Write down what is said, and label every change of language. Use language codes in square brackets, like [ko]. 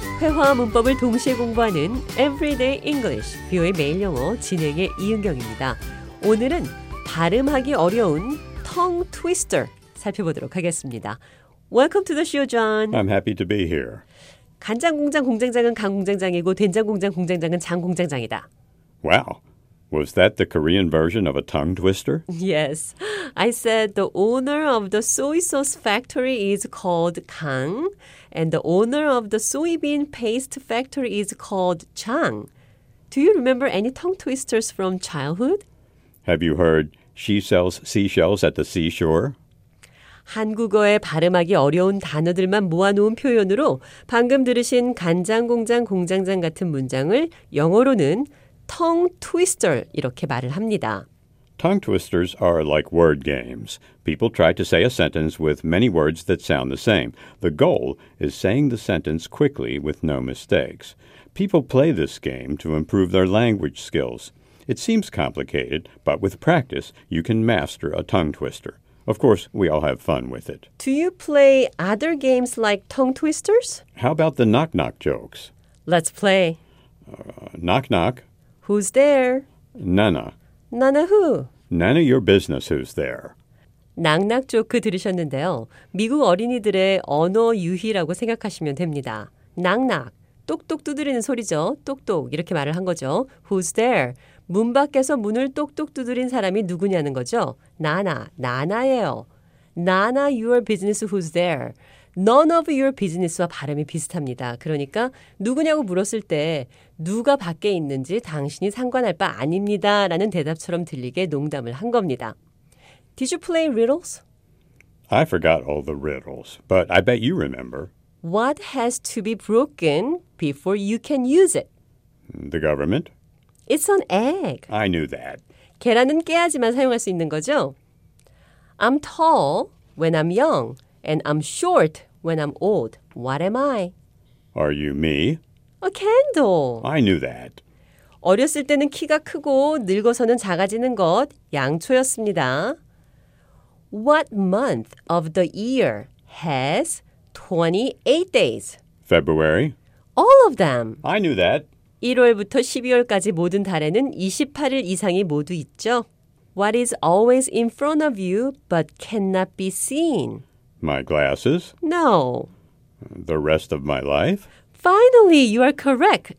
[ko] 회화 문법을 동시에 공부하는 Everyday English, VOA 매일 영어 진행의 이은경입니다. 오늘은 발음하기 어려운 tongue twister 살펴보도록 하겠습니다. [en] Welcome to the show, John. I'm happy to be here. [ko] 간장 공장 공장장은 강 공장장이고 된장 공장 공장장은 장 공장장이다. [en] Wow. Was that the Korean version of a tongue twister? Yes. I said the owner of the soy sauce factory is called 강 and the owner of the soybean paste factory is called 장. Do you remember any tongue twisters from childhood? Have you heard she sells seashells at the seashore? [ko] 한국어에 발음하기 어려운 단어들만 모아놓은 표현으로 방금 들으신 간장 공장 공장장 같은 문장을 영어로는 tongue twister 이렇게 말을 합니다. [en] Tongue twisters are like word games. People try to say a sentence with many words that sound the same. The goal is saying the sentence quickly with no mistakes. People play this game to improve their language skills. It seems complicated, but with practice, you can master a tongue twister. Of course, we all have fun with it. Do you play other games like tongue twisters? How about the knock-knock jokes? Let's play. Knock-knock. Who's there? Nana. Nana who? Nana your business who's there. [ko] 낙낙 조크 들으셨는데요. 미국 어린이들의 언어 유희라고 생각하시면 됩니다. 낙낙, 똑똑 두드리는 소리죠. 똑똑 이렇게 말을 한 거죠. [en] Who's there? [ko] 문 밖에서 문을 똑똑 두드린 사람이 누구냐는 거죠. 나나, 나나예요. [en] Nana your business who's there. None of your business와 [ko] 발음이 비슷합니다. 그러니까 누구냐고 물었을 때 누가 밖에 있는지 당신이 상관할 바 아닙니다 라는 대답처럼 들리게 농담을 한 겁니다. [en] Did you play riddles? I forgot all the riddles, but I bet you remember. What has to be broken before you can use it? The government. It's an egg. I knew that. [ko] 계란은 깨야지만 사용할 수 있는 거죠? [en] I'm tall when I'm young. And I'm short when I'm old. What am I? Are you me? A candle. I knew that. [ko] 어렸을 때는 키가 크고 늙어서는 작아지는 것, 양초였습니다. [en] What month of the year has 28 days? February. All of them. I knew that. [ko] 1월부터 12월까지 모든 달에는 28일 이상이 모두 있죠. [en] What is always in front of you but cannot be seen? My glasses? No. The rest of my life? Finally, you are correct.